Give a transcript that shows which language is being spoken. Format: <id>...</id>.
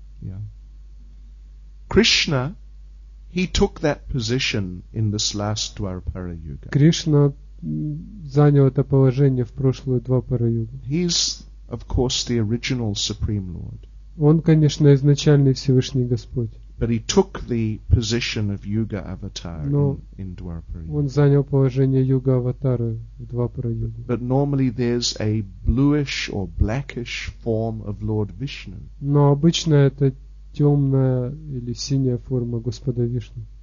<en>Yeah. Krishna, he took that position in this last Dwarapara Yuga.</en> <ru>Кришна занял это положение в прошлую Двапара Югу.</ru> <en>He is, of course, the original Supreme Lord.</en> <ru>Он, конечно, изначальный Всевышний Господь.</ru> <en>But he took the position of Yuga Avatar in Dwarapara</en> <ru>Yuga. Он занял положение Юга Аватара в Двапара Югу.</ru> <en>But normally there's a bluish or blackish form of Lord Vishnu.</en> <ru>Но обычно это темная или синяя форма Господа Вишну.</ru>